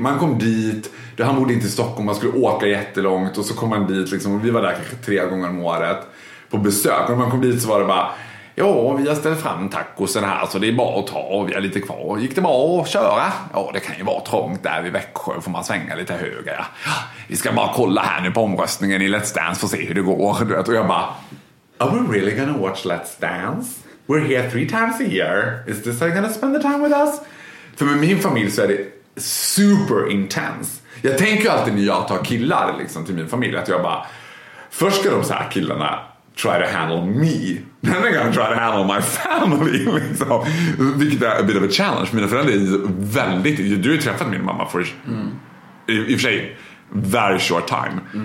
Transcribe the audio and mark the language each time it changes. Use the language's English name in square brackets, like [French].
[Swedish] Man kom dit, han bodde inte i Stockholm, man skulle åka jättelångt och så kom man dit liksom, och vi var där kanske tre gånger om året på besök. Och när man kom dit så var det bara, ja, vi har ställt fram tacosen här, så det är bara att ta, och vi har lite kvar. Gick det bara att köra? Ja, det kan ju vara trångt där vid Växjö, får man svänga lite höger. Ja, vi ska bara kolla här nu på omröstningen i Let's Dance för att se hur det går. Och jag bara, [English] are we really gonna watch Let's Dance? We're here three times a year. Is this how you're gonna spend the time with us? [Swedish] För med min familj så är det super intense. Jag tänker alltid när jag tar killar liksom till min familj, att jag bara, först ska de så här killarna [English] try to handle me, then they're gonna try to handle my family [Swedish] liksom. Vilket är [English] a bit of a challenge. [Swedish] Mina föräldrar är väldigt, du har ju träffat min mamma för i och för sig [English] very short time.